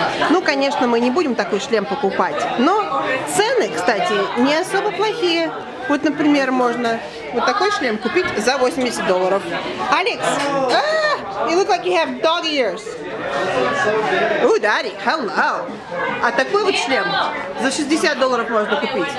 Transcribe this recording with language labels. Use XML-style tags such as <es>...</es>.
<ru>Ну, конечно, мы не будем такой шлем покупать, но цены, кстати, не особо плохие. Вот, например, можно вот такой шлем купить за $80.</ru> <en>Алекс, you look like you have dog ears. Ooh, daddy, hello.</en> <ru>А такой вот шлем за $60 можно купить.</ru>